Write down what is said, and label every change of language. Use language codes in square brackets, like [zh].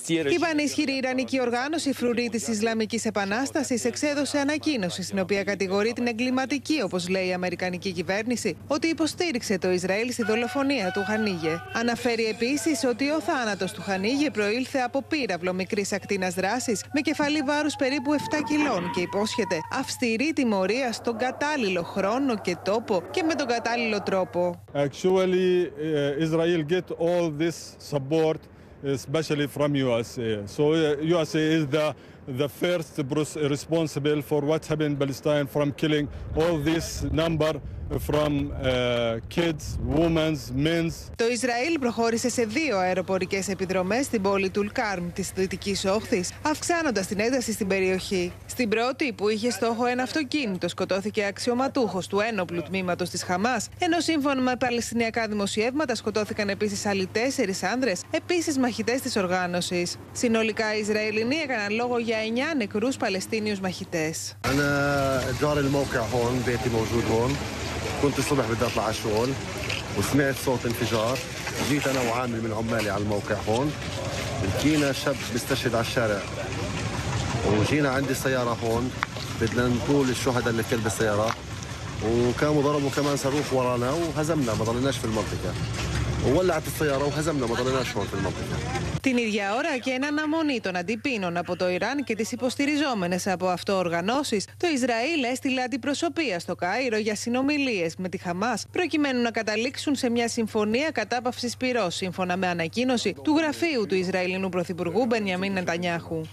[el] Η πανίσχυρη Ιρανική οργάνωση Φρουρή της Ισλαμικής Επανάστασης εξέδωσε ανακοίνωση στην οποία κατηγορεί την εγκληματική, όπως λέει η Αμερικανική κυβέρνηση, ότι υποστήριξε το Ισραήλ στη δολοφονία του Χανίγε. Αναφέρει επίσης ότι ο θάνατος του Χανίγε προήλθε από πύραυλο μικρής ακτίνας δράσης με κεφαλή βάρους περίπου 7 κιλών και υπόσχεται αυστηρή τιμωρία στον κατάλληλο χρόνο και τόπο και με τον κατάλληλο τρόπο. [en] Actually, Israel get all this support, especially from USA. So USA is the first responsible for what happened in Palestine, from killing all this number from kids, women, men. [el] Το Ισραήλ προχώρησε σε δύο αεροπορικές επιδρομές στην πόλη Τουλκάρμ της Δυτικής Όχθης, αυξάνοντας την ένταση στην περιοχή. Στην πρώτη, που είχε στόχο ένα αυτοκίνητο, σκοτώθηκε αξιωματούχος του ένοπλου τμήματος της Χαμάς, ενώ σύμφωνα με παλαιστινιακά δημοσιεύματα σκοτώθηκαν επίσης άλλοι τέσσερις άνδρες, επίσης μαχητές της οργάνωσης. Συνολικά, οι Ισραηλινοί έκαναν λόγο για 9 νεκρούς Παλαιστίνιους μαχητές. [ar] كنت الصبح بدي اطلع على الشغل وسمعت صوت انفجار جيت انا وعامل من عمالي على الموقع هون لقينا شاب بيستشهد على الشارع وجينا عندي السياره هون بدنا نقول الشهداء اللي كان بالسياره وكانوا ضربوا كمان صاروخ ورانا وهزمنا ما ضليناش في المنطقه وولعت السياره وهزمنا ما ضليناش هون في المنطقه. [el] Την ίδια ώρα και εν αναμονή των αντιπίνων από το Ιράν και τις υποστηριζόμενες από αυτό οργανώσεις, το Ισραήλ έστειλε αντιπροσωπεία στο Κάιρο για συνομιλίες με τη Χαμάς, προκειμένου να καταλήξουν σε μια συμφωνία κατάπαυσης πυρός, σύμφωνα με ανακοίνωση του γραφείου του Ισραηλινού Πρωθυπουργού Μπενιαμίν Νετανιάχου.